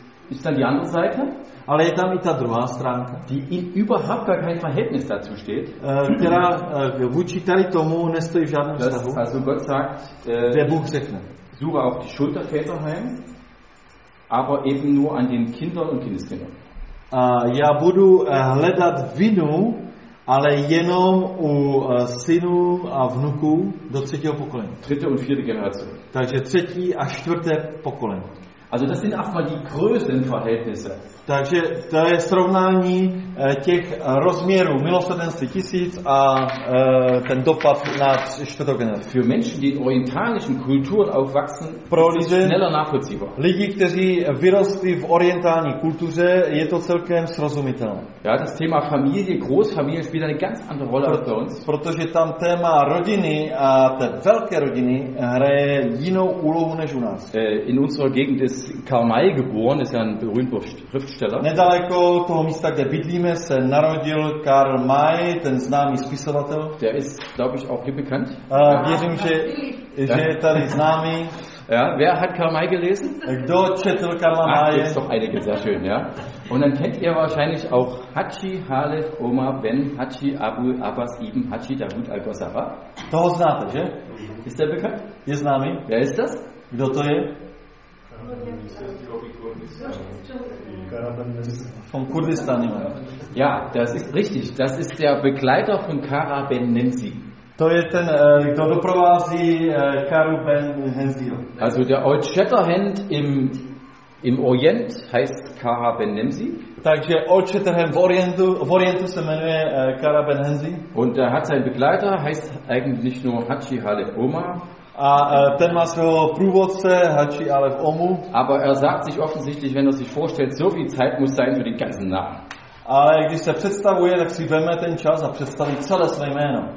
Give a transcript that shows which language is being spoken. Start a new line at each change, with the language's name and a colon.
German: Ist dann die andere Seite?
Czech: Ale je tam i ta druhá stránka,
German: die in überhaupt gar kein Verhältnis dazu steht,
Czech: která vůči tady tomu nestojí v žádném vztahu.
German: Also Gott sagt,
Czech: der Buch řekne,
German: suche auch die Schulterväter heim, aber eben nur an den Kindern und Kindeskindern.
Czech: Já budu hledat vinu, ale jenom u synů a vnuků do třetího pokolení.
German: Dritte und vierte Generation.
Czech: Takže třetí a čtvrté pokolení.
German: Also das sind auch mal die Größenverhältnisse.
Czech: Takže to je srovnání těch rozměrů milosrdenství tisíc a ten dopad na čtvrtou generaci.
German: Für Menschen, die in orientalischen Kulturen aufwachsen,
Czech: pro lidi,
German: schneller nachvollziehbar.
Czech: Lidi, kteří vyrostli v orientální kultuře, je to celkem srozumitelné.
German: Ja, das Thema Familie, Großfamilie spielt eine ganz andere Rolle als bei uns.
Czech: Protože tam téma rodiny a té velké rodiny hraje jinou úlohu než u nás.
German: In unserer Gegend ist Karl May geboren, ist ja ein berühmter Schriftsteller.
Czech: Nedaleko toho místa, kde bydlíme, se narodil Karl May, ten známý spisovatel.
German: Der ist, glaube ich, auch hier bekannt.
Czech: Věřím, že je tady známý.
German: Ja, wer hat Karl May gelesen?
Czech: Kdo četl Karla Maye?
German: Ist doch einige, sehr schön, ja. Und dann kennt ihr wahrscheinlich auch Hatschi Halef Omar Ben Hatschi Abu Abbas Ibn Hatschi Dawud Al-Ghazara.
Czech: Toho znáte, že?
German: Ist der bekannt?
Czech: Je známý.
German: Wer ist das?
Czech: Kdo to je?
German: Von Kurdistan. Ja, das ist richtig. Das ist der Begleiter von Kara Ben Nimsi.
Czech: To je ten, kdo doprovází Karu Ben Hensil.
German: Also der Old Shatterhand im Orient heißt Kara Ben Nimsi.
Czech: Takže Old Shatterhand v Orientu se jmenuje Kara Ben Hensil.
German: Und er hat seinen Begleiter, heißt eigentlich nicht nur Hatschi Halef Omar.
Czech: A ten má svého průvodce, Hatschi Halef Omu.
German: Aber er sagt sich offensichtlich, wenn er sich vorstellt, so viel Zeit muss sein für den ganzen Namen.
Czech: Ale když se představuje, tak si veme ten čas a představí celé své jméno.